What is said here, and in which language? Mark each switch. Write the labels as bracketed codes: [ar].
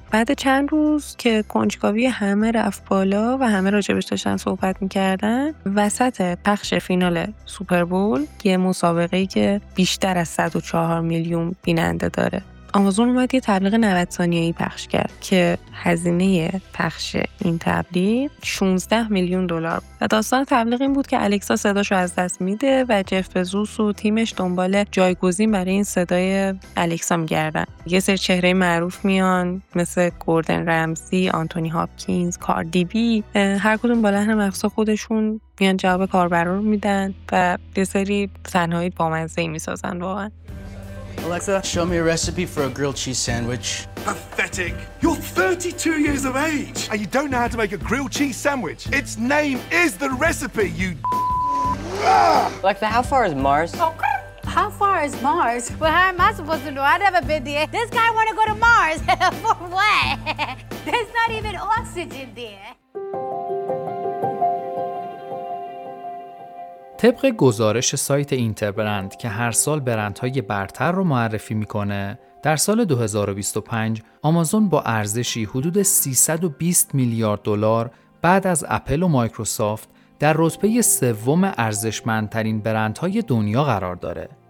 [fa] بعد چند روز که کنجکاوی همه رفت بالا و همه راجبش داشتن صحبت می‌کردن، وسط پخش فینال سوپر بول، یه مسابقه‌ای که بیشتر از 104 میلیون بیننده داره، آمازون اومد یه تبلیغ 90 ثانیه‌ای پخش کرد که هزینه پخش این تبلیغ 16 میلیون دلار بود. و داستان تبلیغ این بود که الکسا صداشو از دست میده و جف بزوس و تیمش دنبال جایگزین برای این صدای الکسا میگردن. یه سری چهره معروف میان مثل گوردن رمزی، آنتونی هاپکینز، کاردی بی، هر کدوم با لحن مخصوص خودشون میان جواب کاربران رو میدن و یه سری صحنه‌های بامزه‌ای میسازن واقعا. [en] Alexa, show me a recipe for a grilled cheese sandwich. Pathetic. You're 32 years of age and you don't know how to make a grilled cheese sandwich. Its name is the recipe, you Alexa, how far is Mars? How far is Mars? Well, how am I supposed to know? I never been there. This guy want to go to Mars. For what? There's not even oxygen there. [fa] طبق گزارش سایت اینتربرند که هر سال برندهای برتر رو معرفی میکنه، در سال 2025 آمازون با ارزشی حدود 320 میلیارد دلار بعد از اپل و مایکروسافت در رتبه سوم ارزشمندترین برندهای دنیا قرار داره.